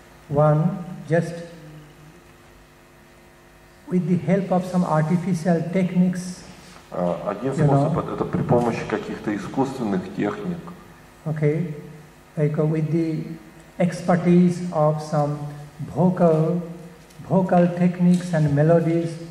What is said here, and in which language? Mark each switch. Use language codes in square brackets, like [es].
[en] One, just with the help of some artificial techniques. [ru] Один способ — это при помощи каких-то искусственных техник. [en] Okay, like with the expertise of some vocal techniques and melodies.